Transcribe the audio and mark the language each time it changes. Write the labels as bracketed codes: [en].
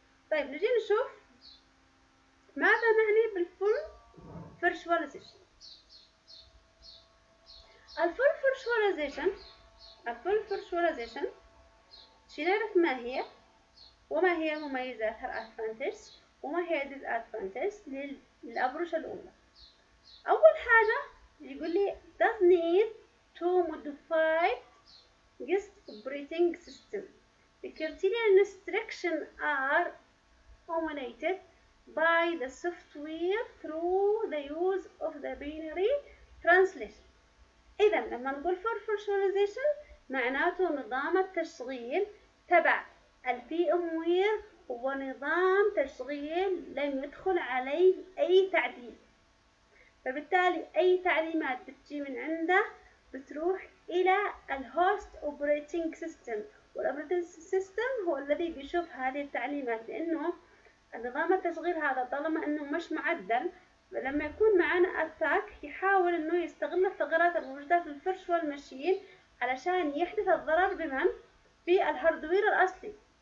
[ar] طيب نجي نشوف ماذا نعني بالفول فيرشواليزيشن. الفول فيرشواليزيشن، الفول فيرشواليزيشن شنعرف ما هي وما هي مميزاتها الأدفانتج وما هي الديسأدفانتج للأبرشة الأولى. أول حاجة يقول لي [en] does need to modify guest operating system. The criteria and restrictions are dominated by the software through the use of the binary translation. [ar] إذا لما نقول for virtualization معناته نظام التشغيل تبع VMware هو نظام تشغيل لم يدخل عليه أي تعديل. فبالتالي أي تعليمات بتجي من عنده بتروح إلى الهوست أوبريتنج سيستم، والأوبريتنج سيستم هو الذي بيشوف هذه التعليمات، لأنه نظام التشغيل هذا طالما أنه مش معدل، فلما يكون معنا أتاك يحاول أنه يستغل الثغرات الموجودة في الفيرشوال ماشين علشان يحدث الضرر بمن؟ في الهاردوير الأصلي.